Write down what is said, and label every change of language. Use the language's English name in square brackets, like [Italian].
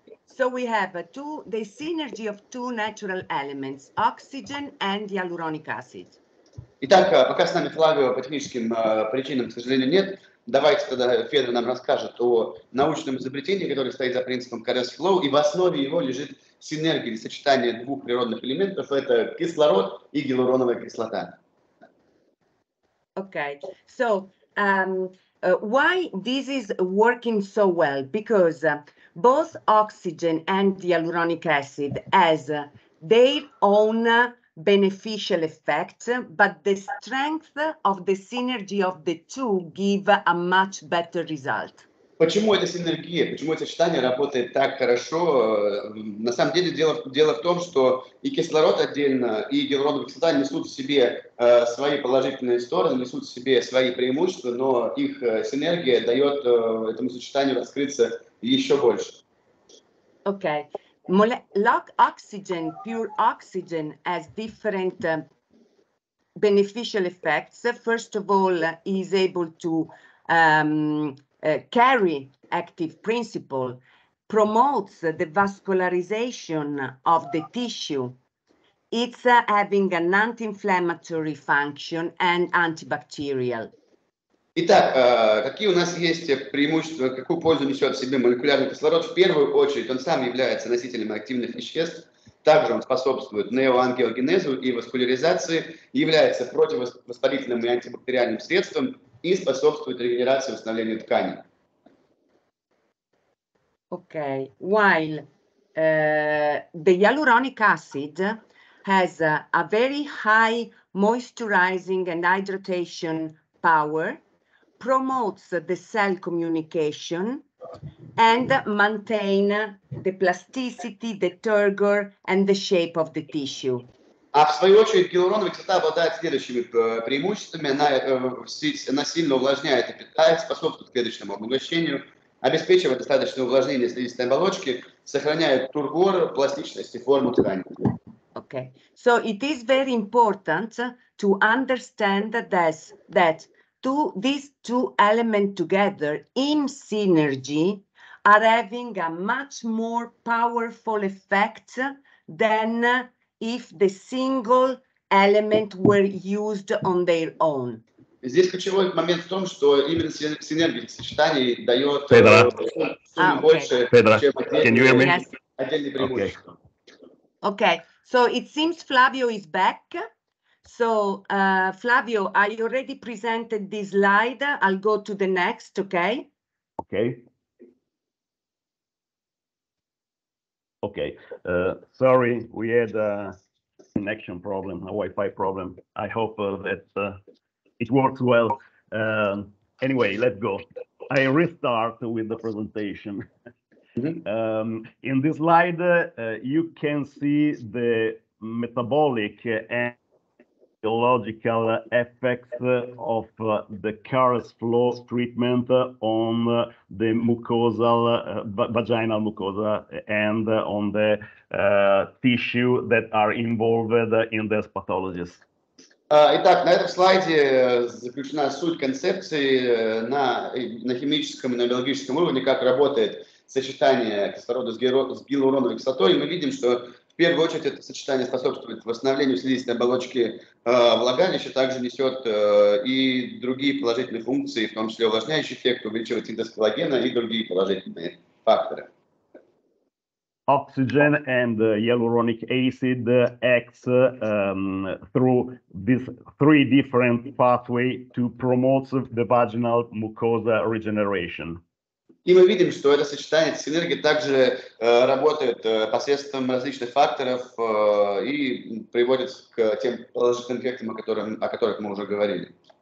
[English] So we have the synergy of two natural elements, oxygen and hyaluronic acid. [Russian] Итак, пока с нами Флавио по техническим причинам, к сожалению, нет. Давайте тогда Федор нам расскажет о научном изобретении, которое стоит за принципом CARES FLOW, и в основе его лежит синергии, сочетания двух природных элементов, это кислород и гиалуроновая кислота. [English] Okay, so why this is working so well? Because both oxygen and hyaluronic acid has their own beneficial effect, but the strength of the synergy of the two give a much better result. [Russian] Почему эта синергия, почему это сочетание работает так хорошо? На самом деле дело в том, что и кислород отдельно, и гиалуроновая кислота несут в себе свои положительные стороны, несут в себе свои преимущества, но их синергия дает этому сочетанию раскрыться еще больше. [English] Okay. Oxygen, pure oxygen has different beneficial effects. First of all, is able to carry active principle, promotes the vascularization of the tissue. It's having an anti-inflammatory function and antibacterial. [Russian] Итак, какие у нас есть преимущества, какую пользу несет в себе молекулярный кислород? В первую очередь, он сам является носителем активных веществ, также он способствует неоангиогенезу и васкуляризации, является противовоспалительным и антибактериальным средством и способствует регенерации и восстановлению тканей. [English] Okay, while the hyaluronic acid has a very high moisturizing and hydration power, promotes the cell communication and maintain the plasticity, the turgor, and the shape of the tissue. [Russian] А в свою очередь гиалуроновая кислота обладает следующими преимуществами. Она сильно увлажняет и питает, способствует клеточному обогащению, обеспечивает достаточное увлажнение слизистой оболочки, сохраняет тургор, пластичность и форму ткани. [English] Okay. So it is very important to understand that these two elements together in synergy are having a much more powerful effect than if the single element were used on their own. [Russian] Здесь ключевой момент в том, что именно синергия сочетаний дает Педро. Больше, Педро. Чем отдельные преимущества. [English] Okay. Okay, so it seems Flavio is back. So, Flavio, I already presented this slide. I'll go to the next, okay? Okay. Okay. Sorry, we had a connection problem, a Wi-Fi problem. I hope that it works well. Anyway, let's go. I restart with the presentation. Mm-hmm. In this slide, you can see the metabolic and biological effects of the CARES flow treatment on the mucosal vaginal mucosa and on the tissue that are involved in this pathologies. [Russian] Итак, на этом слайде заключена суть концепции на химическом и на биологическом уровне, как работает сочетание кислорода с гиалуроновой кислотой, и мы видим, что в первую очередь, это сочетание способствует восстановлению слизистой оболочки влагалища, также несет и другие положительные функции, в том числе увлажняющий эффект, увеличивает синтез коллагена и другие положительные факторы. [English] Oxygen and hyaluronic acid acts through these three different pathways to promote the vaginal mucosa regeneration. [Russian] И мы видим, что это сочетание, эта синергия также работает посредством различных факторов и приводит к тем положительным эффектам, о которых мы уже говорили.